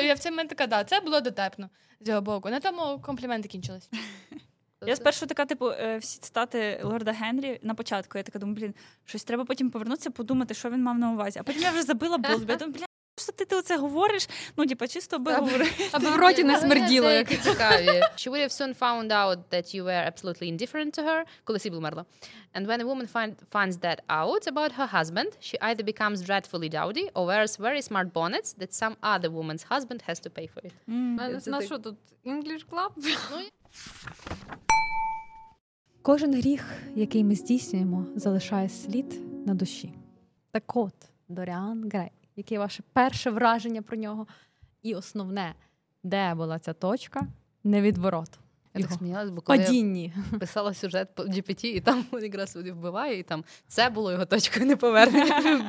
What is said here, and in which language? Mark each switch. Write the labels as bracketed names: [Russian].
[Ukrainian] Я в цей момент така, да, це було дотепно з його боку. На тому компліменти кінчились. Я спершу така, типу, всі цитати Лорда Генрі на початку. Я така думаю, блін, щось треба потім повернутися, подумати, що він мав на увазі. А потім я вже забила, бо я думаю, блін, що ти оце говориш? Ну, типа, чисто би говорити. Аби в роті не смерділо. Як цікаві. [English] She would have soon found out that you were absolutely indifferent to her, [Ukrainian] коли Сібл умерла. [English] And when a woman finds that out about her husband, she either becomes dreadfully dowdy or wears very smart bonnets that some other woman's husband has to pay for it. [Ukrainian] На що тут? [English] English club? [Ukrainian] Кожен гріх, який ми здійснюємо, залишає слід на душі. Так от, Доріан Грей, яке ваше перше враження про нього? І основне, де була ця точка? Невідворот. Я так сміялась, бо коли я писала сюжет по GPT, і там він якраз вбиває, і там це було його точкою неповернення.